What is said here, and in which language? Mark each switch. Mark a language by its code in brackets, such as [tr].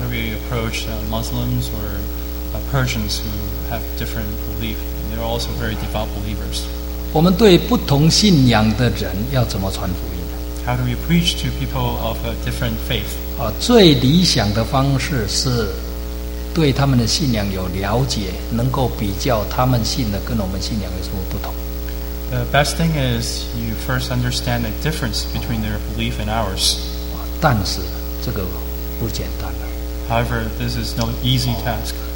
[zh] 的 [en] question was how do we approach Muslims or Persians who have different belief? They're also very devout believers. [zh] 我们对不同信仰的人要怎么传福音? [en] How do we preach to people of a different faith? [zh] 最理想的方式是对他们的信仰有了解，能够比较他们信的跟我们信仰有什么不同。 [en] The best thing is you first understand the difference between their belief and ours. [zh] 但是这个 [en] However, this is no easy task.